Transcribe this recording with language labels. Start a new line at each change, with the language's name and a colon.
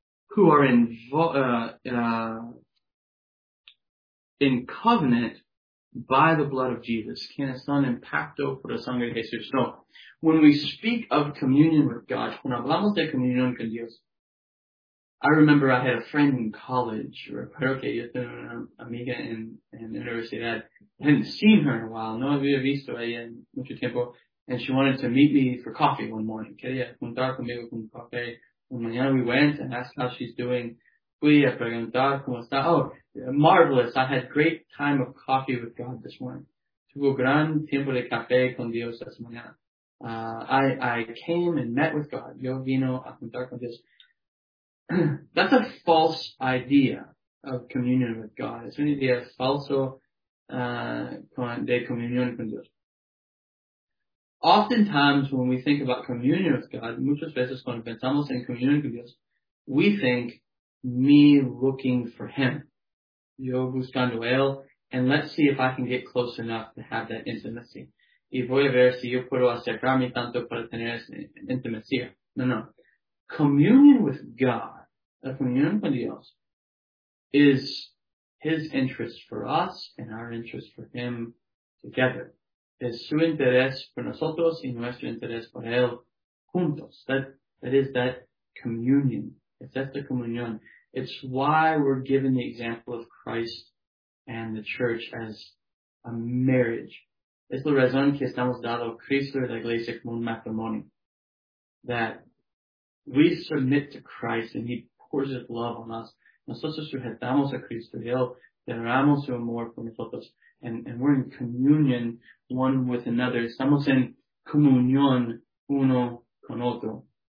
English: Who are in covenant by the blood of Jesus.
Spanish: Quienes están en pacto por la sangre de Jesús.
English: No. When we speak of communion with God, when
Spanish: hablamos de comunión con Dios,
English: I remember I had a friend in college,
Spanish: recuerdo que yo tenía una amiga en la universidad.
English: I hadn't seen her in a while,
Spanish: no había visto a ella en mucho tiempo,
English: and she wanted to meet me for coffee one morning.
Spanish: Quería juntar conmigo con un café. Una mañana
English: we went and asked how she's doing.
Spanish: Fui a preguntar cómo está.
English: Oh, marvelous. I had great time of coffee with God this morning.
Spanish: Tuvo gran tiempo de café con Dios esta mañana.
English: I came and met with God.
Spanish: Yo vino a juntar con Dios.
English: That's a false idea of communion with God.
Spanish: Es una idea falso de comunión con Dios.
English: Oftentimes, when we think about communion with God,
Spanish: muchas veces cuando pensamos en comunión con Dios,
English: we think me looking for Him.
Spanish: Yo buscando Él,
English: and let's see if I can get close enough to have that intimacy.
Spanish: Y voy a ver si yo puedo acercarme tanto para tener esa intimacía.
English: No. Communion with God,
Spanish: la comunión con Dios,
English: is His interest for us and our interest for Him together.
Spanish: Es su interés por nosotros y nuestro interés por Él juntos.
English: That is that communion.
Spanish: Es esta comunión.
English: It's why we're given the example of Christ and the church as a marriage.
Spanish: Es la razón que estamos dado Cristo y la Iglesia como un matrimonio.
English: That we submit to Christ and He pours His love on us.
Spanish: Nosotros sujetamos a Cristo y Él derramamos su amor por nosotros.
English: And we're in communion one with another.
Spanish: Estamos en comunión uno con otro.